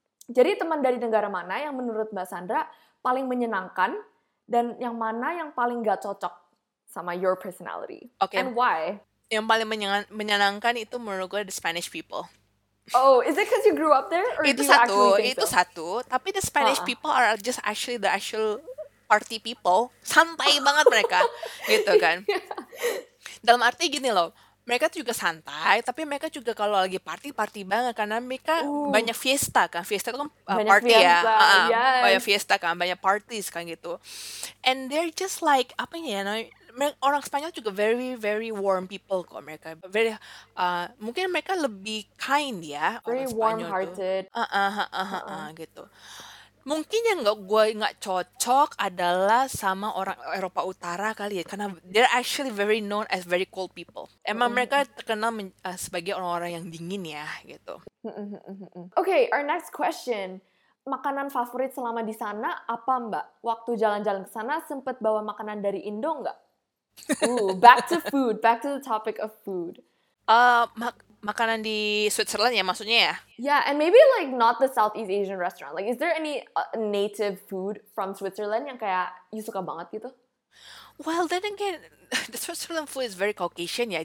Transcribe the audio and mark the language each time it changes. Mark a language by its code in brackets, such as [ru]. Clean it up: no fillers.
[id] Jadi teman dari negara mana yang menurut Mbak Sandra paling menyenangkan dan yang mana yang paling gak cocok sama [en] your personality? Okay. And why? [id] Yang paling menyenangkan itu menurut gue [en] the Spanish people. Oh, is it because you grew up there? Or [id] itu satu, itu so? Satu. Tapi [en] the Spanish people are just actually the actual party people. [id] Santai banget mereka, gitu kan. Yeah. Dalam arti gini loh, mereka juga santai, tapi mereka juga kalau lagi party-party banget. Karena mereka banyak fiesta kan, fiesta itu kan party fiesta. Ya. [en] Yes. [id] Banyak fiesta kan, banyak parties kan gitu. [en] And they're just like, [id] apa ya, [en] you know, [id] orang Spanyol juga [en] very very warm people [id] kok mereka. Very mungkin mereka lebih kind ya. [en] Very warm-hearted. [id] Gitu. Mungkin yang gue nggak cocok adalah sama orang Eropa Utara kali ya. Karena [en] they're actually very known as very cold people. [id] Emang mereka terkenal sebagai orang-orang yang dingin ya gitu. [en] Okay, our next question. [id] Makanan favorit selama di sana apa Mbak? Waktu jalan-jalan ke sana sempet bawa makanan dari Indo nggak? [en] Ooh, back to food, back to the topic of food. [id] Makanan di Switzerland ya maksudnya ya? [en] Yeah, and maybe like not the Southeast Asian restaurant. Like, is there any native food from Switzerland [id] yang kayak [en] you [id] suka banget gitu? [en] Well, then again, the Switzerland food is very Caucasian [id] ya.